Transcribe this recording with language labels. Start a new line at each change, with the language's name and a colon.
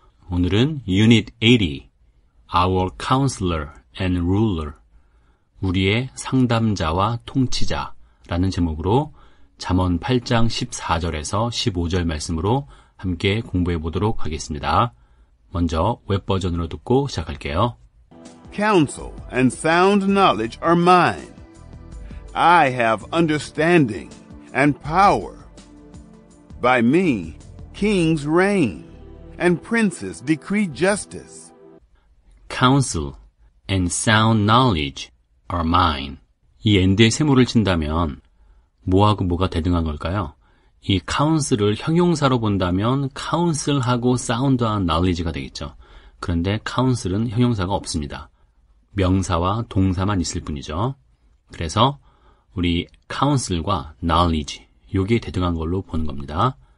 Korean: 오늘은 Unit 80,
English: Our Counselor and Ruler,
Korean: 우리의 상담자와 통치자 라는 제목으로 잠언 8장 14절에서 15절 말씀으로 함께 공부해 보도록 하겠습니다. 먼저 웹 버전으로 듣고 시작할게요.
English: Counsel and sound knowledge are mine. I have understanding and power. By me, kings reign and princes decree justice. Counsel and sound knowledge are mine.
Korean: 이 and의 세모를 친다면 뭐하고 뭐가 대등한 걸까요? 이 counsel을 형용사로 본다면 counsel하고 sound한 knowledge가 되겠죠. 그런데 counsel은 형용사가 없습니다. 명사와 동사만 있을 뿐이죠. 그래서 우리 counsel과 knowledge, 요게 대등한 걸로 보는 겁니다.